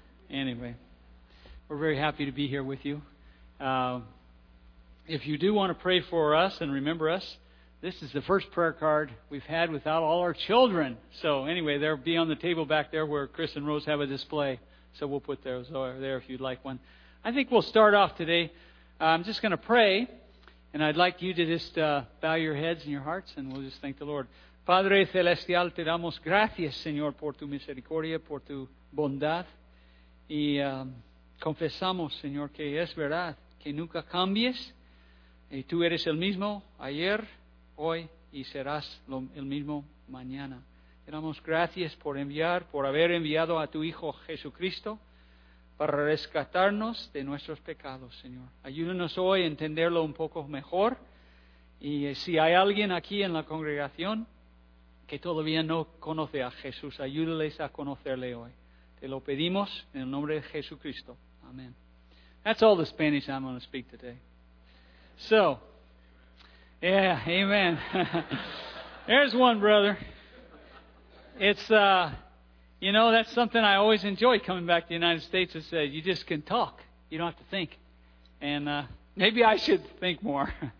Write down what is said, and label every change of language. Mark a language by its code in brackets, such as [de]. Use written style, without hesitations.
[en] Anyway, we're very happy to be here with you. If you do want to pray for us and remember us, this is the first prayer card we've had without all our children. So anyway, there'll be on the table back there where Chris and Rose have a display. So we'll put those over there if you'd like one. I think we'll start off today. I'm just going to pray, and I'd like you to just bow your heads and your hearts, and we'll just thank the Lord. [es] Padre Celestial, te damos gracias, Señor, por tu misericordia, por tu bondad. Y confesamos, Señor, que es verdad, que nunca cambies. Y tú eres el mismo ayer, hoy, y serás el mismo mañana. Te damos gracias por enviar, por haber enviado a tu Hijo Jesucristo para rescatarnos de nuestros pecados, Señor. Ayúdanos hoy a entenderlo un poco mejor. Y si hay alguien aquí en la congregación que todavía no conoce a Jesús, ayúdales a conocerle hoy. Te lo pedimos en el nombre de Jesucristo. Amén. [en] That's all the Spanish I'm going to speak today. So, yeah, amen. There's one, brother. It's, you know, that's something I always enjoy coming back to the United States. It says you just can talk. You don't have to think. And maybe I should think more.